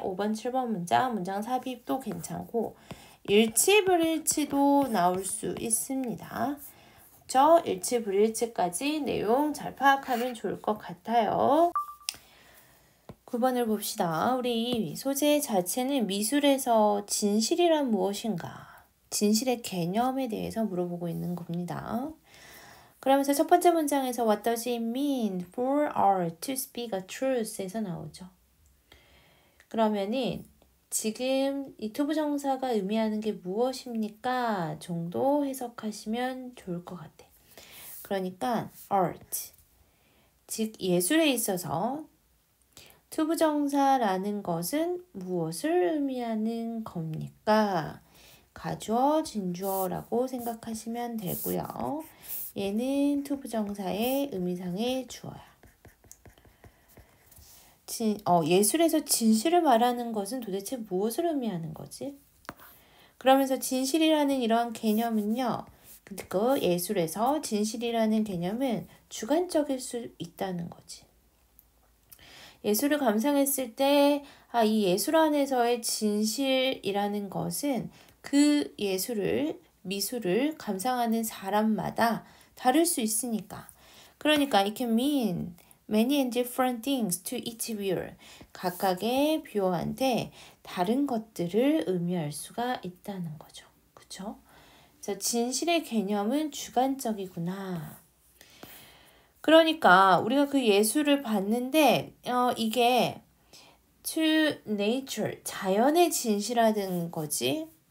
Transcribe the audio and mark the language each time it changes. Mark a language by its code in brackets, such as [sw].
[ko] 5번, 7번 문장, 문장 삽입도 괜찮고, 일치불일치도 나올 수 있습니다. 그쵸? 일치불일치까지 내용 잘 파악하면 좋을 것 같아요. 9번을 봅시다. 우리 소재 자체는 미술에서 진실이란 무엇인가? 진실의 개념에 대해서 물어보고 있는 겁니다. 그러면서 첫 번째 문장에서 [en] What does it mean for art to speak a truth [ko] 에서 나오죠. 그러면은 지금 이 to 부 정사가 의미하는 게 무엇입니까? 정도 해석하시면 좋을 것 같아. 그러니까 art, 즉 예술에 있어서 to 부 정사라는 것은 무엇을 의미하는 겁니까? 가주어, 진주어라고 생각하시면 되고요. 얘는 to 부 정사의 의미상의 주어야. 예술에서 진실을 말하는 것은 도대체 무엇을 의미하는 거지? 그러면서 진실이라는 이러한 개념은요. 그 예술에서 진실이라는 개념은 주관적일 수 있다는 거지. 예술을 감상했을 때, 아, 이 예술 안에서의 진실이라는 것은 그 예술을, 미술을 감상하는 사람마다 다를 수 있으니까. 그러니까 [en] it can mean many and different things to each viewer. [ko] 각각의 뷰어한테 다른 것들을 의미할 수가 있다는 거죠. 그쵸? 자, 진실의 개념은 주관적이구나. 그러니까 우리가 그 예술을 봤는데 이게 [en] to nature, [ko] 자연의 진실화된 거지?